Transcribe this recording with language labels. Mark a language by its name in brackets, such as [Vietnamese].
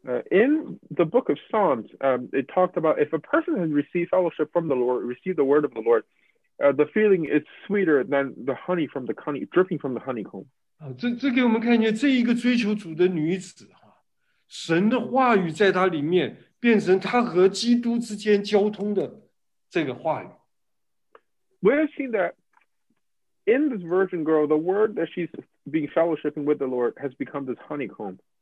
[English] In the book of Psalms, it talked about if a person has received fellowship from the Lord, received the word of the Lord, the feeling is sweeter than the honey from the honey, dripping from the honeycomb. [Chinese] 这给我们看见这一个追求主的女子，神的话语在她里面变成她和基督之间交通的这个话语。 [English] We have seen that in this virgin girl, the word that she's being fellowshipping with the Lord has become this honeycomb.